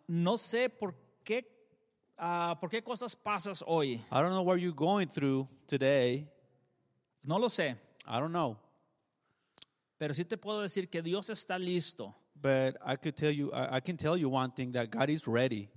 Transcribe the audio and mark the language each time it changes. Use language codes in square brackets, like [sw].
[es] No sé por qué cosas pasas hoy. [en] I don't know what you're going through today. [es] No lo sé. [en] I don't know. [es] Pero sí te puedo decir que Dios está listo. [en] But I could tell you, I can tell you one thing, that God is ready.